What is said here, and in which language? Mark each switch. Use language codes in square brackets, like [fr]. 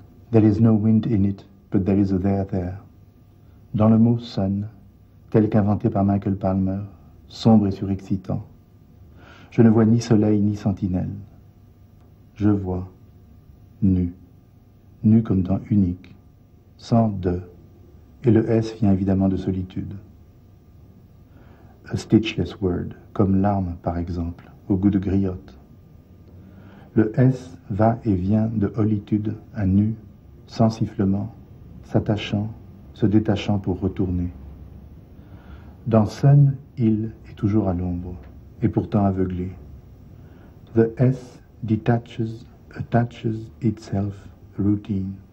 [en] There is no wind in it, but there is a there there. [fr] Dans le mot sun, tel qu'inventé par Michael Palmer, sombre et surexcitant, je ne vois ni soleil ni sentinelle. Je vois, nu, nu comme dans unique, sans de. Et le S vient évidemment de solitude. [en] A stitchless word, [fr] comme l'arme, par exemple, au goût de griotte. Le S va et vient de holitude à nu, sans sifflement, s'attachant, se détachant pour retourner. Dans Sun, il est toujours à l'ombre, et pourtant aveuglé. [en] The S detaches, attaches itself, routine.